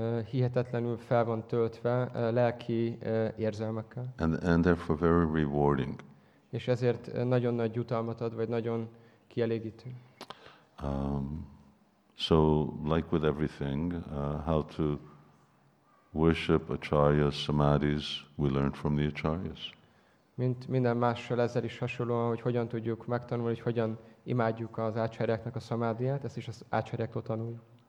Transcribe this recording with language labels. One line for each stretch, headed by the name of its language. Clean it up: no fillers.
Hungarian: Hihetetlenül fel van töltve lelki érzelmekkel.
English: And therefore very rewarding.
Hungarian: És ezért nagyon nagy jutalmat ad, vagy nagyon kielégítő.
English: So, like with everything, how to worship acharyas, samadhis, we learn from the acharyas.
Hungarian: Mint minden mással ezzel is hasonlóan, hogy hogyan tudjuk megtanulni, hogy hogyan imádjuk az ácsárjáknak a szamádiát, ezt is az ácsárjáktól tanuljuk.